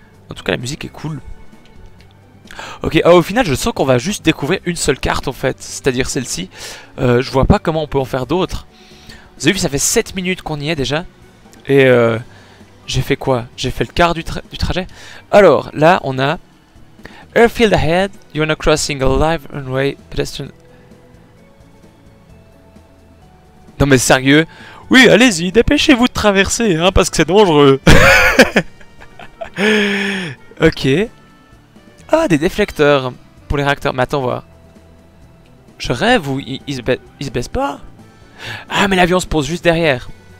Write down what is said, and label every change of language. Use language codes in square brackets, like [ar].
[fr] En tout cas la musique est cool. Ok, oh, au final je sens qu'on va juste découvrir une seule carte en fait. C'est à dire celle-ci. Je vois pas comment on peut en faire d'autres. Vous avez vu, ça fait 7 minutes qu'on y est déjà. Et j'ai fait quoi? J'ai fait le quart du trajet. Alors là on a [en] Airfield ahead, you're now crossing a live runway pedestrian. [fr] Non mais sérieux. Oui, allez-y, dépêchez-vous de traverser, hein, parce que c'est dangereux. Ok. Ah, des déflecteurs pour les réacteurs. Mais attends, voir. Je rêve ou ils se baissent pas? Ah, mais l'avion se pose juste derrière.